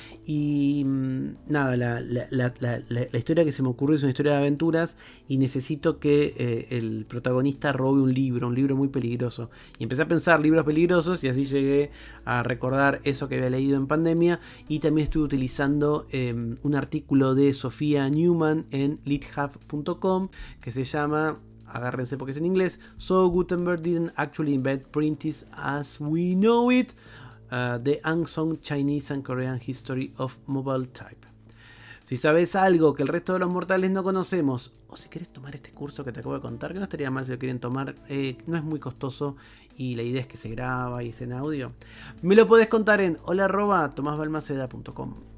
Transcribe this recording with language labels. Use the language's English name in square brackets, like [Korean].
[Spanish] Y nada, la historia que se me ocurrió es una historia de aventuras y necesito que el protagonista robe un libro muy peligroso. Y empecé a pensar libros peligrosos y así llegué a recordar eso que había leído en pandemia. Y también estuve utilizando un artículo de Sofía Newman en lithub.com que se llama... agárrense porque es en inglés. [English] So Gutenberg didn't actually invent printing as we know it. The Ansong Chinese and Korean History of Mobile Type. [Spanish] Si sabes algo que el resto de los mortales no conocemos, o si quieres tomar este curso que te acabo de contar, que no estaría mal si lo quieren tomar, no es muy costoso y la idea es que se graba y es en audio, me lo podés contar en hola@tomasbalmaceda.com.